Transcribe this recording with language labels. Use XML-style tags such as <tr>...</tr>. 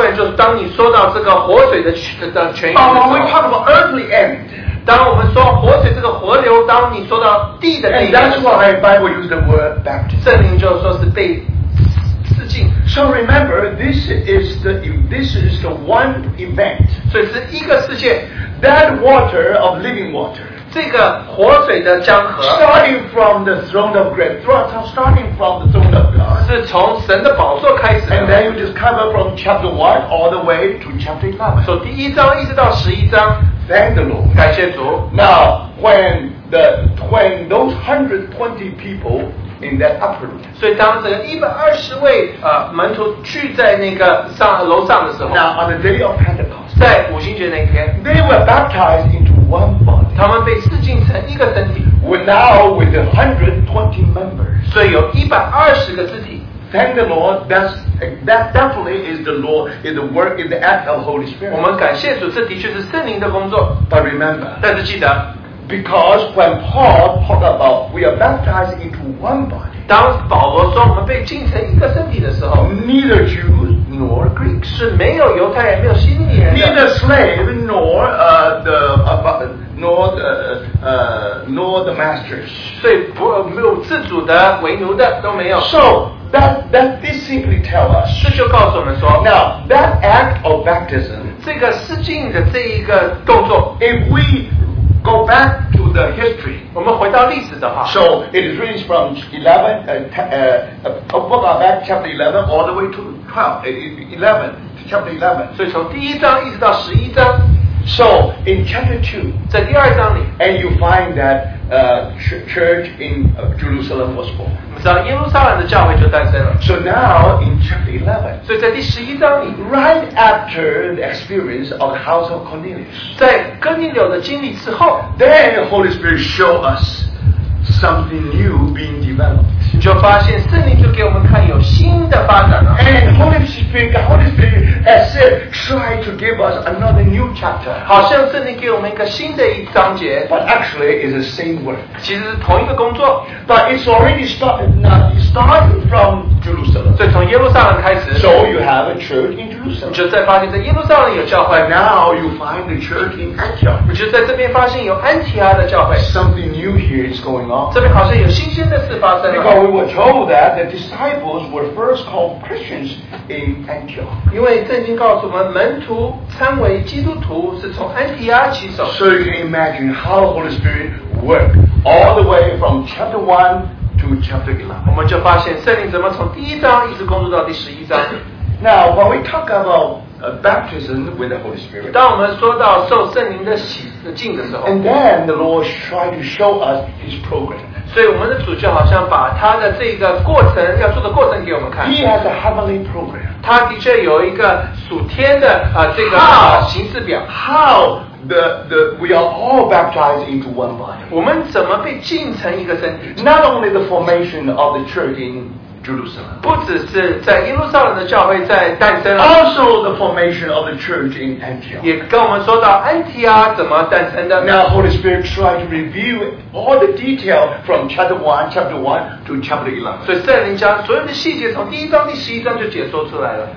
<zh>是说到属天的那部分，就是当你说到这个活水的泉源的时候.</zh> <en>But when we talk about earthly end,</en> <zh>当我们说活水这个活流, 当你说到地的那一边,</zh> <en>and that's why Bible used the word baptism.</en> <zh>圣灵就说是被</zh> <en>So remember, this is the one event.</en> <zh>所以是一个事件.</zh> <en>That water of living water,</en> <zh>这个活水的江河,</zh> <en>starting from the throne of God,</en> <zh>是从神的宝座开始,</zh> <en>and then you discover from chapter 1 all the way to chapter 11.</en> <zh>所以第一章一直到十一章,</zh> <en>thank the Lord.</en> <zh>感谢主.</zh> <en>Now, when those 120 people in that upper room,</en> <zh>所以当这个120位 门徒聚在那个楼上的时候,</zh> <en>now on the day of Pentecost,</en> <zh>在五旬节那天,</zh> <en>they were baptized into one body,</en> <zh>他们被施浸成一个身体,</zh> <en>now with 120 members,</en> <zh>所以有120个肢体.</zh> <en>Thank the Lord, that definitely is the Lord, is the work, is the act of the Holy Spirit.</en> <zh>我们感谢主, 这的确是圣灵的工作.</zh> <en>But remember,</en> <zh>但是记得,</zh> <en>because when Paul talked about we are baptized into one body,</en> <zh>当保罗说我们被浸成一个身体的时候,</zh> <en>neither Jews nor Greeks,</en> <zh>是没有犹太人, 没有新年的,</zh> <en>neither slave nor the masters,</en> <zh>所以自主的为奴的, 都没有.</zh> <en>So that this simply tells us,</en> <zh>这就告诉我们说,</zh> <en>now that act of baptism,</en> <zh>这个施浸的这一个动作,</zh> <en>if we go back to the history,</en> <zh>我们回到历史的话,</zh> <en>so it is written from 11, book of Acts chapter 11 all the way to 11, chapter 11.</en> <zh>所以从第一章一直到十一章,</zh> <en>so in chapter 2,</en> <zh>在第二章里,</zh> <en>and you find that church in Jerusalem was born.</en> <zh>知道耶路撒冷的教会就诞生了.</zh> <en>So now in chapter 11,</en> <zh>所以在第十一章里</zh> <en>Right after the experience of the house of Cornelius</en> <zh>在哥尼流的经历之后</zh> <en>Then the Holy Spirit show us something new being developed And Holy Spirit as if try to give us another new chapter.</en> <zh>好像圣灵给我们一个新的一章节</zh> <en>But actually, it's the same work.</en> <zh>其实是同一个工作</zh> <en>But it's already started now. It started from Jerusalem.</en> <zh>所以从耶路撒冷开始</zh> <en>So you have a church in Jerusalem.</en> <zh>就在发现在耶路撒冷有教会</zh> <en>Now you find the church in Antioch.</en> <zh>就在这边发现有安提阿的教会</zh> <en>Something new here is going on.</en> <zh>这边好像有新鲜的事发生了</zh> <en>We were told that the disciples were first called Christians in Antioch.</en> <zh>因为圣经告诉我们，门徒称为基督徒是从安提阿起手。</zh> <en>So you can imagine how the Holy Spirit worked all the way from chapter 1 to chapter 11.</en> <zh>我们就发现圣灵怎么从第一章一直工作到第十一章。</zh> <en>Now, when we talk about baptism with the Holy Spirit,</en> <zh>当我们说到受圣灵的洗净的时候</zh> <en>and then the Lord tried to show us His program.</en> <zh>所以我们的主教好像把他的这个过程要做的过程给我们看。</zh> <en>He has a heavenly program.</en> <zh>他的确有一个属天的这个形式表。</zh> <en>How the we are all baptized into one body.</en> <zh>我们怎么被浸成一个身体</zh> <en>？Not only the formation of the church in Jerusalem.</en> <zh>不只是在耶路撒冷的教会在诞生了。</zh> <en>Also the formation of the church in Antioch.</en> <zh>也跟我们说到安提阿怎么诞生的。</zh> <en>Now Holy Spirit tried to review it. All the detail from chapter 1 to chapter 11.</en> <zh>所以圣灵将所有的细节从第一章第十一章就解说出来了。</zh>